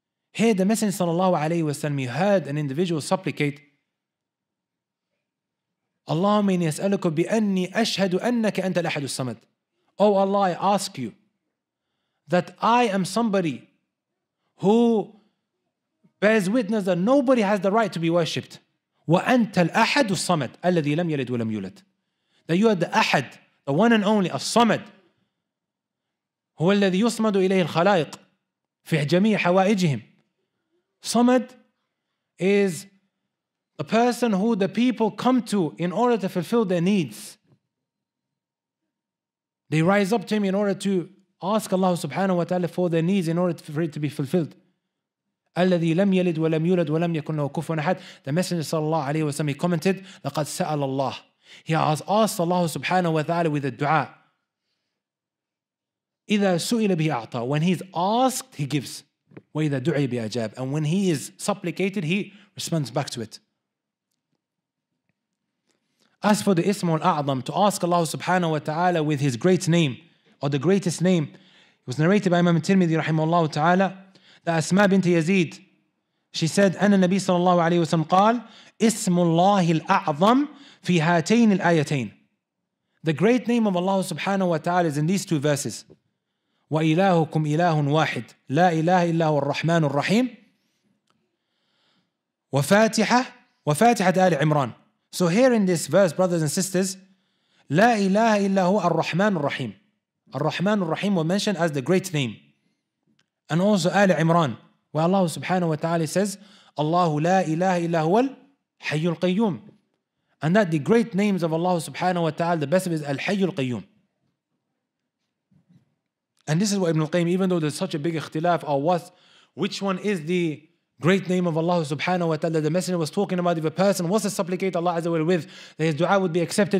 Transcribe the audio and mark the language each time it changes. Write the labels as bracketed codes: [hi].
[en] Here the Messenger sallallahu alayhi wa sallam heard an individual supplicate [ar] اللهم إني أسألك بأني أشهد أنك أنت الأحد الصمد. [en] Oh Allah, I ask you that I am somebody who bears witness that nobody has the right to be worshipped. [ar] وأنت الأحد الصمد الذي لم يلد ولم يولد. [en] That you are the أحد, the one and only, الصمد. [ar] هو الذي يصمد إليه الخلائق في جميع حوائجهم. [en] صمد is a person who the people come to in order to fulfill their needs. They rise up to him in order to ask Allah subhanahu wa ta'ala for their needs in order for it to be fulfilled. [ar] الَّذِي لَمْ يَلِدْ وَلَمْ يُولَدْ وَلَمْ يَكُنْ لَهُ كُفُوًا أَحَدٌ. [en] The Messenger sallallahu alayhi wa sallam, he commented, [ar] لَقَدْ سَأَلَ اللَّهِ. [en] He has asked Allah subhanahu wa ta'ala with a dua. [ar] إِذَا سُئِلَ بِهِ أَعْطَى. [en] When he's asked, he gives. [ar] وَإِذَا دُعِي بِأَجَاب. [en] And when he is supplicated, he responds back to it. As for the Ism al-A'zam, to ask Allah subhanahu wa ta'ala with his great name, or the greatest name, it was narrated by Imam al-Tirmidhi rahimahullah ta'ala, that Asma bint Yazid, she said, [ar] أن النبي صلى الله عليه وسلم قال, اسم الله الأعظم في هاتين الآيتين. [en] The great name of Allah subhanahu wa ta'ala is in these two verses. [ar] وَإِلَهُكُمْ إِلَهٌ وَاحِدٌ لَا إِلَهَ إِلَّهُ الرَّحْمَنُ الرَّحِيمُ وَفَاتِحَةَ آلِ عِمْرَانِ. [en] So here in this verse, brothers and sisters, [ar] لا إله إلا هو الرحمن الرحيم. [en] الرحمن الرحيم was mentioned as the great name. And also آل عمران, where Allah subhanahu wa ta'ala says, [ar] الله لا إله إلا هو الحي القيوم. [en] And that the great names of Allah subhanahu wa ta'ala, the best of it is الحي القيوم. And this is what Ibn al-Qayyim, even though there's such a big اختلاف, or what, which one is the great name of Allah subhanahu wa ta'ala, the Messenger was talking about if a person was to supplicate Allah azza wa jalla with, that his dua would be accepted.